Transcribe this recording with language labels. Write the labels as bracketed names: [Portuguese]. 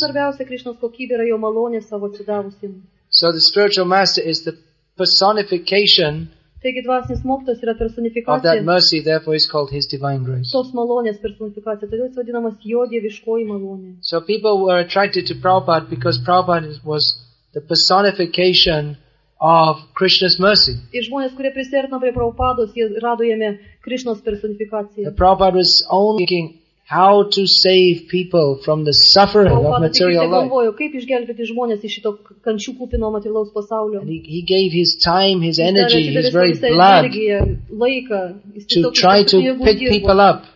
[English] So the spiritual master is the personification of that mercy, therefore he's called his divine grace. So people were attracted to Prabhupada because Prabhupada was the personification of Krishna's mercy. [Lithuanian] Žmonės, kurie prisertino prie Prabhupados, jie rado jame Krishnos personifikaciją. [English] The Prabhupada was only thinking how to save people from the suffering of material life. [Lithuanian] Kaip išgelbėti žmonės iš šito kančių kupino materialaus pasaulio. [English] He gave his time, his energy, his very blood to try to pick people up,